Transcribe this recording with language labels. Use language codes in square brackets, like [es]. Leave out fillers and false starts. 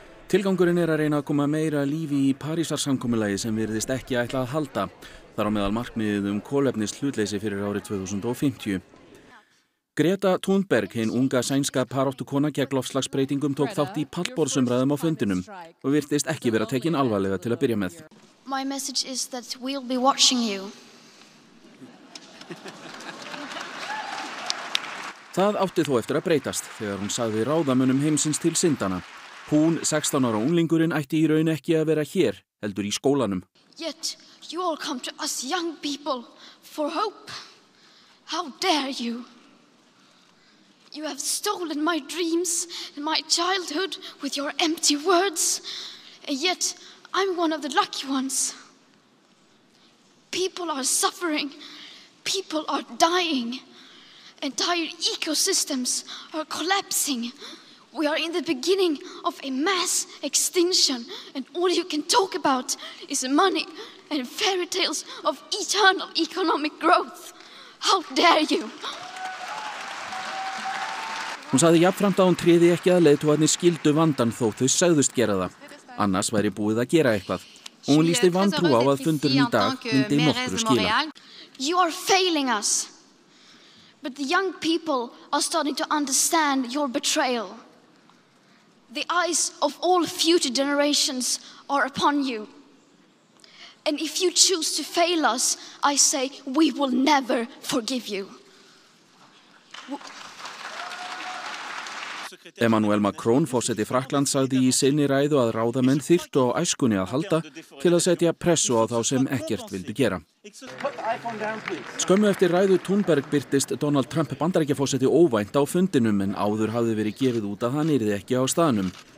[is] Tilgangurinn að reyna að koma meira lífi í Parísarsamkomulagi sem virðist ekki ætla að halda, þar á meðal markmiðið kolefnis hlutleysi fyrir árið 2050. Greta Thunberg, hinn unga sænska paróttukona gegn loftslagsbreytingum, tók þátt í pallborðsumræðum á fundinum og virtist ekki vera tekin alvarlega til að byrja með. [en] My message is that we'll be watching you. [is] Það átti þó eftir að breytast þegar hún sagði ráðamönnum heimsins til syndanna. Hún, 16 ára unglingurinn, ætti í raun ekki að vera hér, heldur í skólanum. [en] Yet you all come to us young people for hope. How dare you? You have stolen my dreams and my childhood with your empty words. And yet I'm one of the lucky ones. People are suffering. People are dying. Entire ecosystems are collapsing. We are in the beginning of a mass extinction and all you can talk about is money and fairy tales of eternal economic growth. How dare you? [is] Hún sagði jafnframt að hún tryði ekki að leiðtogarnir skildu vandann þó þau sögðust gera það. Annars væri búið að gera eitthvað. Hún lýsti vantrú á að fundurinn í dag myndi nokkru skila. [en] You are failing us. But the young people are starting to understand your betrayal. The eyes of all future generations are upon you. And if you choose to fail us, I say we will never forgive you. [is] Emmanuel Macron, forseti Frakklands, sagði í sinni ræðu að ráðamenn þyrtu á æskunni að halda til að setja pressu á þá sem ekkert vildu gera. Skömmu eftir ræðu Thunberg birtist Donald Trump bandaríkjaforseti óvænt á fundinum en áður hafði verið gefið út að hann yrði ekki á staðnum.